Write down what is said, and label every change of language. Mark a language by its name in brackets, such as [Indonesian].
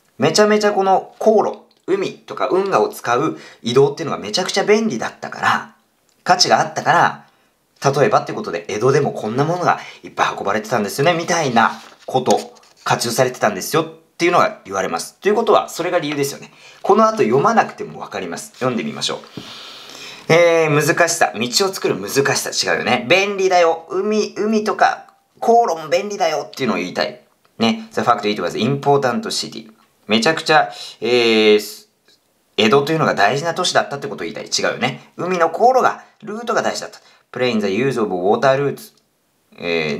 [Japanese] めちゃめちゃこの航路、海とか運河を使う移動っていうのがめちゃくちゃ便利だったから、価値があったから、例えばってことで、江戸でもこんなものがいっぱい運ばれてたんですよね、みたいなこと、活用されてたんですよ、っていうのが言われます。ということは、それが理由ですよね。この後読まなくてもわかります。読んでみましょう。難しさ。道を作る難しさ。違うよね。便利だよ。海とか、航路も便利だよ、っていうのを言いたい。ね。 [English] The fact it was important city. [Japanese] めちゃくちゃ、江戸というのが大事な都市だったってことを言いたい。違うよね。海の航路が、ルートが大事だった。 [English] Playing the use of water routes.